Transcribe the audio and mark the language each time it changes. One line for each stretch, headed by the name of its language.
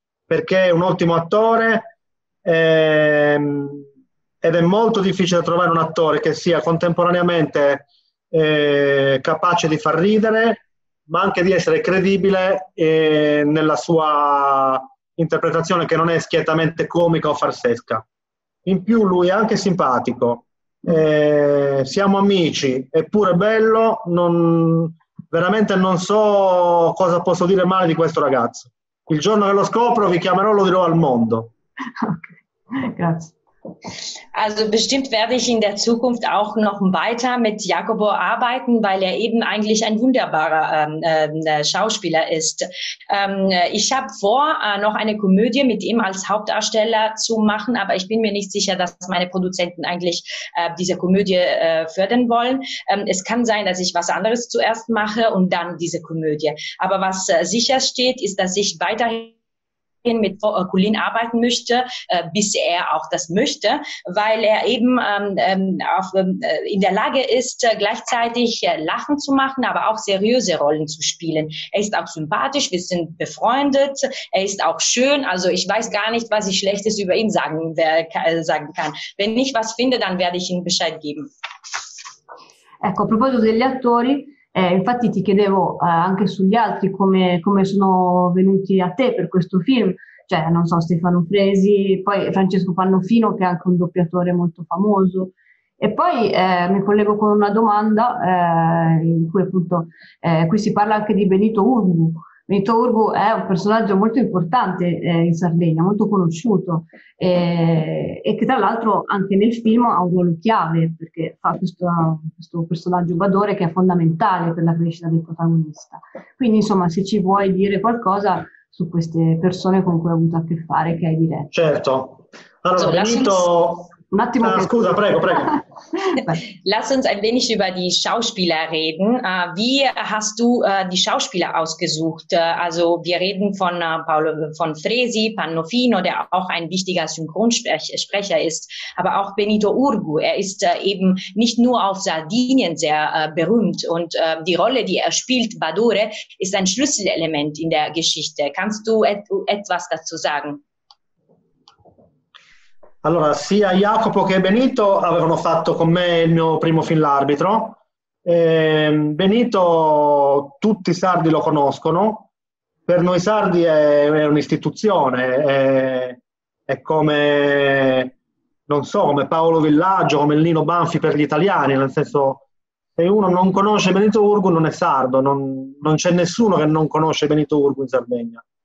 Italian: perché è un ottimo attore ed è molto difficile trovare un attore che sia contemporaneamente capace di far ridere, ma anche di essere credibile nella sua interpretazione, che non è schiettamente comica o farsesca. In più lui è anche simpatico, siamo amici, eppure bello, veramente non so cosa posso dire male di questo ragazzo. Il giorno che lo scopro vi chiamerò, lo dirò al mondo. Okay. Grazie.
German: Also bestimmt werde ich in der Zukunft auch noch weiter mit Jacopo arbeiten, weil er eben eigentlich ein wunderbarer Schauspieler ist. Ich habe vor, noch eine Komödie mit ihm als Hauptdarsteller zu machen, aber ich bin mir nicht sicher, dass meine Produzenten eigentlich diese Komödie fördern wollen. Es kann sein, dass ich was anderes zuerst mache und dann diese Komödie. Aber was sicher steht, ist, dass ich weiterhin mit Colin arbeiten möchte, bis er auch das möchte, weil er eben in der Lage ist, gleichzeitig Lachen zu machen, aber auch seriöse Rollen zu spielen. Er ist auch sympathisch, wir sind befreundet, er ist auch schön, also ich weiß gar nicht, was ich Schlechtes über ihn sagen kann. Wenn ich was finde, dann werde ich ihm Bescheid geben.
Italian: Ecco, a proposito degli attori, infatti ti chiedevo anche sugli altri come sono venuti a te per questo film, cioè non so, Stefano Fresi, poi Francesco Pannofino che è anche un doppiatore molto famoso, e poi mi collego con una domanda in cui appunto qui si parla anche di Benito Urbu. Benito Urbu è un personaggio molto importante in Sardegna, molto conosciuto, e che tra l'altro anche nel film ha un ruolo chiave, perché fa questo personaggio badore che è fondamentale per la crescita del protagonista. Quindi, insomma, se ci vuoi dire qualcosa su queste persone con cui hai avuto a che fare, che hai diretto. Certo. Allora, Benito... Un attimo, scusa, prego.
German: Lass uns ein wenig über die Schauspieler reden. Wie hast du die Schauspieler ausgesucht? Also wir reden von Paolo, von Fresi, Pannofino, der auch ein wichtiger Synchronsprecher ist, aber auch Benito Urbu. Er ist eben nicht nur auf Sardinien sehr berühmt, und die Rolle, die er spielt, Badore, ist ein Schlüsselelement in der Geschichte. Kannst du etwas dazu sagen?
Italian: Allora, sia Jacopo che Benito avevano fatto con me il mio primo film L'Arbitro. Benito, tutti i sardi lo conoscono, per noi sardi è un'istituzione, è come, non so, come Paolo Villaggio, come il Nino Banfi per gli italiani, nel senso, se uno non conosce Benito Urbu non è sardo, non c'è nessuno che non conosce Benito Urbu in Sardegna.